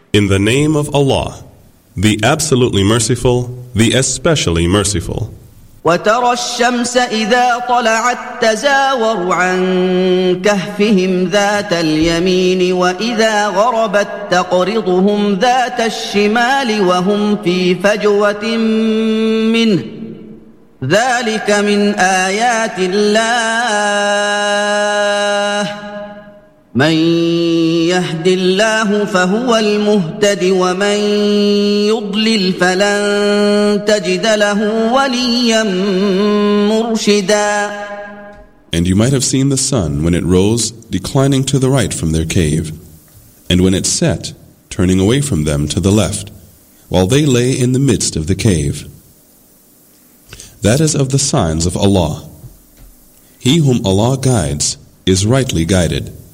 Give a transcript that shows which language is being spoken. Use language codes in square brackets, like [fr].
[en] In the name of Allah, the absolutely merciful, the especially merciful. [ar] وترى الشمس إذا طلعت تزاور عن كهفهم ذات اليمين وإذا غربت تقرضهم ذات الشمال وهم في فجوة منه ذلك من آيات الله من يهدي الله فهو المهتد ومن يضلل فلن تجد له وليا مرشدا. [en] And you might have seen the sun when it rose declining to the right from their cave, and when it set turning away from them to the left, while they lay in the midst of the cave. That is of the signs of Allah. He whom Allah guides is rightly guided.